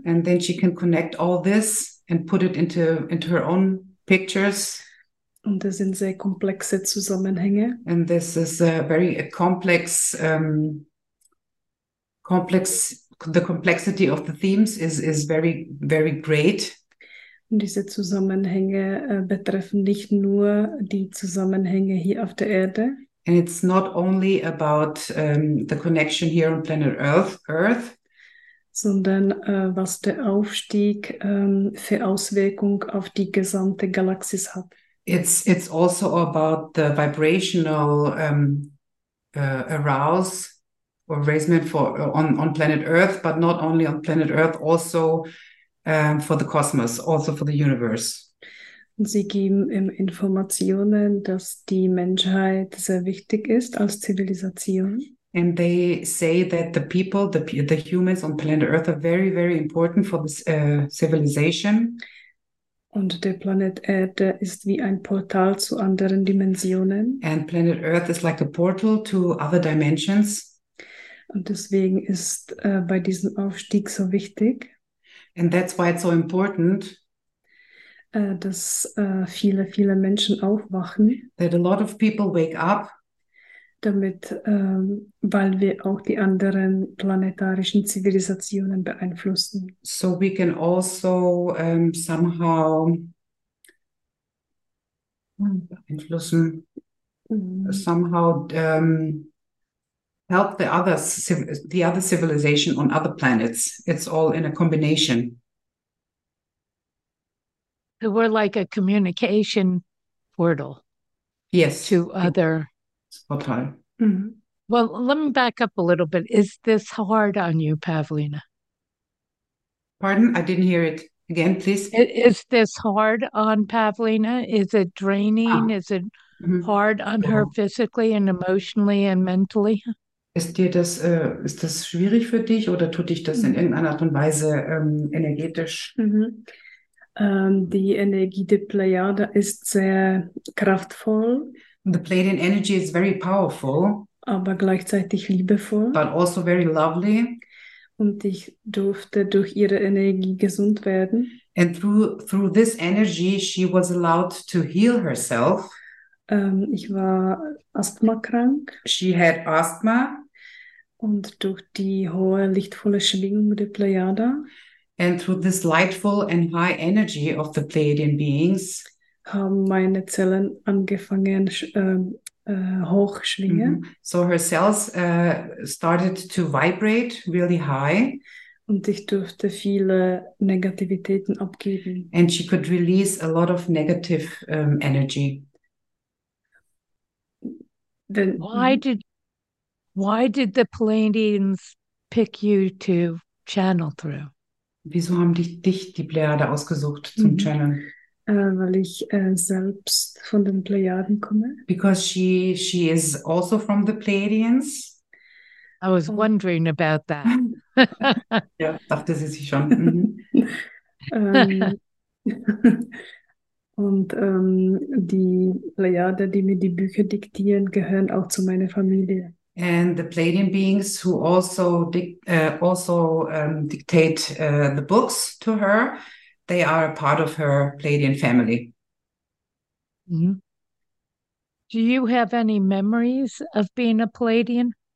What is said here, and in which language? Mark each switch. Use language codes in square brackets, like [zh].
[en] And then she can connect all this and put it into her own pictures. [de] Und das sind sehr komplexe Zusammenhänge. [en] And this is a very complex, the complexity of the themes is very, very great. [de] Und diese Zusammenhänge betreffen nicht nur die Zusammenhänge hier auf der Erde. [en] And it's not only about the connection here on planet Earth. [de] Sondern was der Aufstieg für Auswirkung auf die gesamte Galaxis hat. [en] It's also about the vibrational arouse or raisement for on planet Earth, but not only on planet Earth, also for the cosmos, also for the universe. [de] Sie geben Informationen, dass die Menschheit sehr wichtig ist als Zivilisation. [en] And they say that the people, the humans on planet Earth are very, very important for this civilization. [de] Und der Planet Erde ist wie ein Portal zu anderen Dimensionen. [en] And planet Earth is like a portal to other dimensions. [de] Und deswegen ist bei diesem Aufstieg so wichtig. [en] And that's why it's so important. [de] Dass viele, viele Menschen aufwachen. [en] That a lot of people wake up. [de] Damit, weil wir auch die anderen planetarischen Zivilisationen beeinflussen. [en] So we can also somehow [de] beeinflussen, [en] somehow help the other civilization on other planets. It's all in a combination. So we're like a communication portal. Yes. To other. Okay. Well, let me back up a little bit. Is this hard on you, Pavlina? Pardon? I didn't hear it again, please. Is this hard on Pavlina? Is it draining? Is it hard on her physically and emotionally and mentally? [de] Ist das schwierig für dich oder tut dich das in irgendeiner Art und Weise energetisch? Die Energie der Pleiade ist sehr kraftvoll. [en] The Pleiadian energy is very powerful, [de] aber gleichzeitig liebevoll, [en] but also very lovely. [de] Und ich durfte durch ihre Energie gesund werden. [en] And through this energy, she was allowed to heal herself. [de] Ich war asthmakrank. [en] She had asthma. [de] Und durch die hohe, lichtvolle Schwingung der Pleiade. [en] And through this lightful and high energy of the Pleiadian beings, [de] haben meine Zellen angefangen hochschwingen. [en] So her cells started to vibrate really high. [de] Und ich durfte viele Negativitäten abgeben. [en] And she could release a lot of negative energy. Why did the Pleiadians pick you to channel through? [de] Wieso haben dich die Pleiade ausgesucht zum Channeln? Weil ich selbst von den Pleiaden komme. [en] Because she is also from the Pleiadians. I was wondering about that. [de] Ja, dachte sie sich schon. Und die Plejade, die mir die Bücher diktieren, gehören auch zu meiner Familie. [en] And the Pleiadian beings who also dictate the books to her, they are a part of her Pleiadian family. Mm-hmm. Do you have any memories of being a Pleiadian?